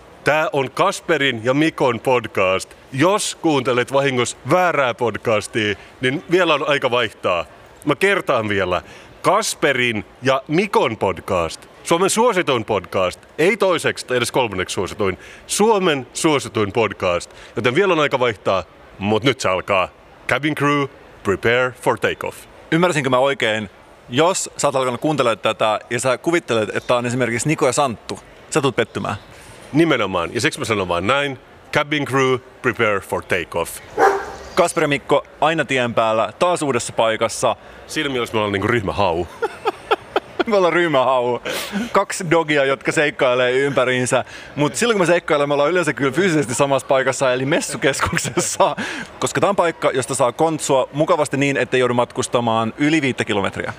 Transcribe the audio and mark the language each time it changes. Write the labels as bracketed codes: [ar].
[fi] Tää on Kasperin ja Mikon podcast. Jos kuuntelet vahingossa väärää podcastia, niin vielä on aika vaihtaa. Mä kertaan vielä. Kasperin ja Mikon podcast. Suomen suosituin podcast. Ei toiseksi tai edes kolmanneksi suosituin. Suomen suosituin podcast. Joten vielä on aika vaihtaa, mut nyt se alkaa. [en] Cabin crew, prepare for takeoff. [fi] Ymmärsinkö mä oikein? Jos sä oot alkanut kuuntelemaan tätä ja sä kuvittelet, että on esimerkiksi Niko ja Santtu, sä tulet pettymään. Nimenomaan. Ja siksi mä sanon vaan näin. [en] Cabin crew, prepare for takeoff. [fi] Kasper ja Mikko, aina tien päällä, taas uudessa paikassa. Siinä mielessä me ollaan niinku ryhmähau. Me ollaan ryhmähau. Kaksi dogia, jotka seikkailee ympäriinsä. Mutta silloin kun me seikkailemme, me ollaan yleensä kyllä fyysisesti samassa paikassa, eli messukeskuksessa. Koska tää on paikka, josta saa kontsua mukavasti niin, ettei joudu matkustamaan yli 5 kilometriä.